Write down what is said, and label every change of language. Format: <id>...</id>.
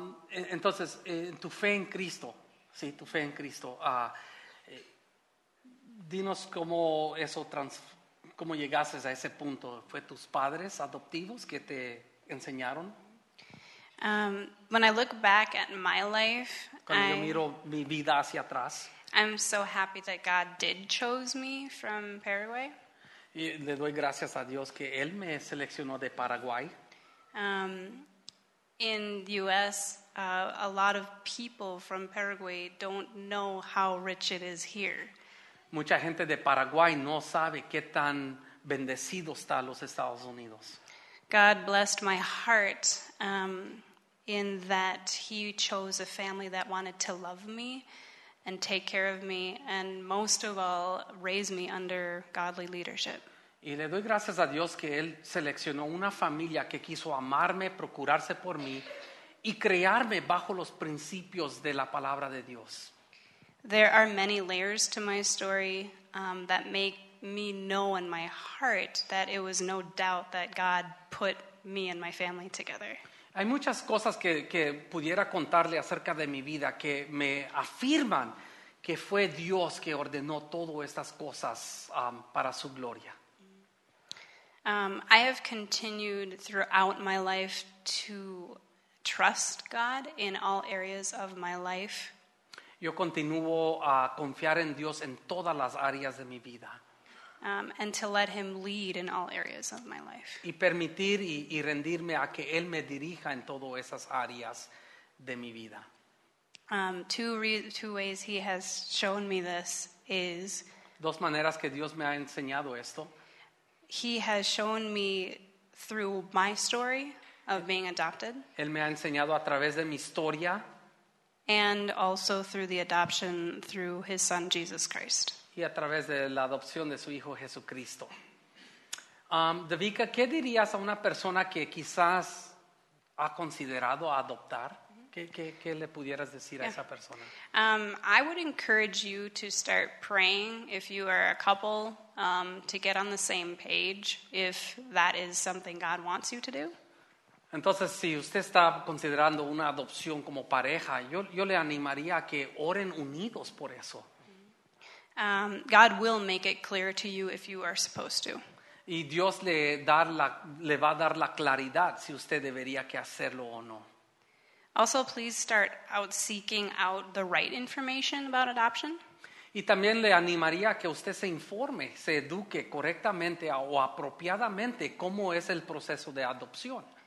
<es>Entonces, tu fe en Cristo, sí, tu fe en Cristo. Dinos cómo llegaste a ese punto. ¿Fue tus padres adoptivos que te enseñaron?</es> <en>When I look back at my life,</en> <es>cuando yo miro mi vida hacia atrás,</es> <en>I'm so happy that God did choose me from Paraguay.</en> <es>Y le doy gracias a Dios que Él me seleccionó de Paraguay.</es> <en>In the U.S., a lot of people from Paraguay don't know how rich it is here.</en> <es>Mucha gente de Paraguay no sabe qué tan bendecido está los Estados Unidos.</es> <en>God blessed my heart in that he chose a family that wanted to love me and take care of me and most of all raise me under godly leadership.</en> <es>Y le doy gracias a Dios que él seleccionó una familia que quiso amarme, procurarse por mí y crearme bajo los principios de la palabra de Dios.</es> <en>There are many layers to my story that make me know in my heart that it was no doubt that God put me and my family together.</en> <es>Hay muchas cosas que pudiera contarle acerca de mi vida que me afirman que fue Dios que ordenó todas estas cosas para su gloria.</es> <en>I have continued throughout my life to trust God in all areas of my life.</en> <es>Yo continúo a confiar en Dios en todas las áreas de mi vida.</es> <en>And to let him lead in all areas of my life.</en> <es>Y permitir y rendirme a que él me dirija en todas esas áreas de mi vida.</es> <en>Two ways he has shown me this is...</en> <es>Dos maneras que Dios me ha enseñado esto.</es> <en>He has shown me through my story of being adopted.</en> <es>Él me ha enseñado a través de mi historia.</es> <en>And also through the adoption through his son Jesus Christ.</en> <es>Y a través de la adopción de su hijo Jesucristo. Devika, ¿qué dirías a una persona que quizás ha considerado adoptar? ¿Qué le pudieras decir a esa persona?</es> <en>I would encourage you to start praying if you are a couple to get on the same page if that is something God wants you to do.</en> <es>Entonces, si usted está considerando una adopción como pareja, yo le animaría a que oren unidos por eso.</es> <en>God will make it clear to you if you are supposed to.</en> <es>Y Dios le va a dar la claridad si usted debería que hacerlo o no.</es> <en>Also, please start out seeking out the right information about adoption.</en> <es>Y también le animaría que usted se informe, se eduque correctamente o apropiadamente cómo es el proceso de adopción.</es>